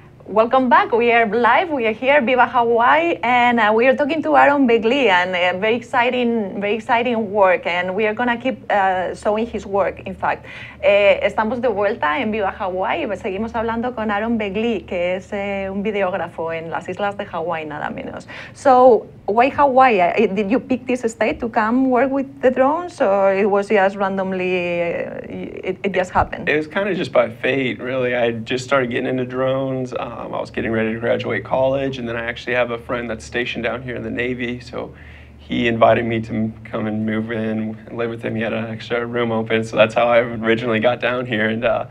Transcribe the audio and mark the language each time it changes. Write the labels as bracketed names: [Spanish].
[English] Welcome back. We are live. We are here, Viva Hawaii, and we are talking to Aaron Begle, and very exciting work. And we are going to keep showing his work. [Spanish] In fact, estamos de vuelta en Viva Hawaii. Seguimos hablando con Aaron Begle, que es un videógrafo en las islas de Hawaii, nada menos. [English] So, why Hawaii? Did you pick this state to come work with the drones, or it was just randomly? It just happened. It was kind of just by fate, really. I just started getting into drones. I was getting ready to graduate college, and then I actually have a friend that's stationed down here in the Navy, so he invited me to come and move in and live with him. He had an extra room open, so that's how I originally got down here. And